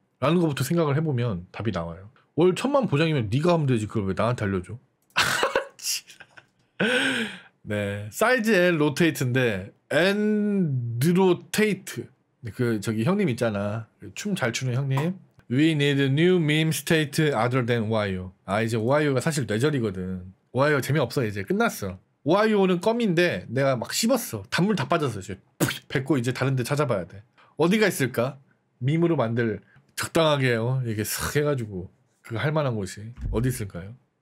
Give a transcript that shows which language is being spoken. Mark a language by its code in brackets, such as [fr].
[ko] 라는 것부터 생각을 해보면 답이 나와요. 월 1000만 보장이면 네가 하면 되지 그걸 왜 나한테 알려줘? 네 사이즈 L 로테이트인데 엔드로테이트. 그 저기 형님 있잖아 춤 잘 추는 형님. [en] We need a new meme state other than Wayo. [ko] 아 이제 Wayo가 사실 뇌절이거든. Wayo 재미없어 이제 끝났어. Wayo는 껌인데 내가 막 씹었어. 단물 다 빠졌어 이제. 뱉고 이제 다른 데 찾아봐야 돼. 어디가 있을까? 밈으로 만들 적당하게 이렇게 싹 해가지고 그거 할 만한 곳이 어디 있을까요?